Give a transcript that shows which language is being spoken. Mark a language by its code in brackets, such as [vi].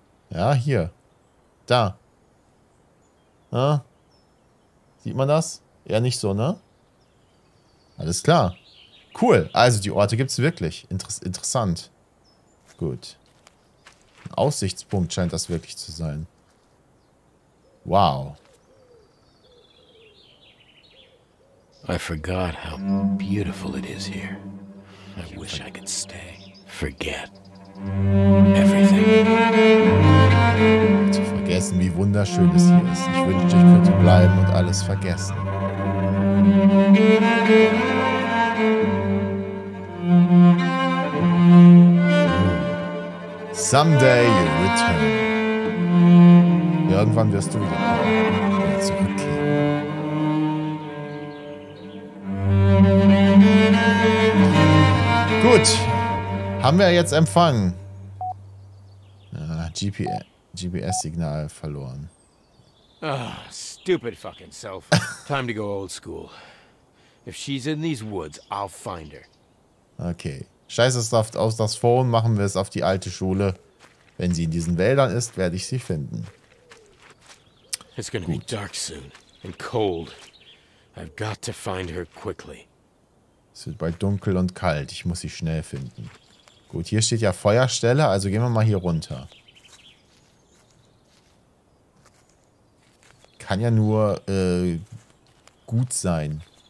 [de] Ja, hier. Da. Ja. Sieht man das? Eher nicht so, ne? Alles klar. Cool, also die Orte gibt es wirklich. Interessant. Gut. Ein Aussichtspunkt scheint das wirklich zu sein. Wow. [en] I forgot how beautiful it is here. I wish I could stay. Forget everything. [de] Zu vergessen, wie wunderschön es hier ist. Ich wünschte, ich könnte bleiben und alles vergessen. [en] Someday you return. [de] Irgendwann wirst du wieder kommen und zurückkehren. Gut, haben wir jetzt Empfang. GPS-Signal verloren. [en] Ah, stupid fucking cell phone. Time to go old school. If she's in these woods, I'll find her. Okay. [de] Scheiß es oft aus das Phone, machen wir es auf die alte Schule. Wenn sie in diesen Wäldern ist, werde ich sie finden. [en] It's gonna be dark soon and cold. I've got to find her quickly. [de] Es wird bald dunkel und kalt. Ich muss sie schnell finden. Gut, hier steht ja Feuerstelle, also gehen wir mal hier runter. Kann ja nur gut sein.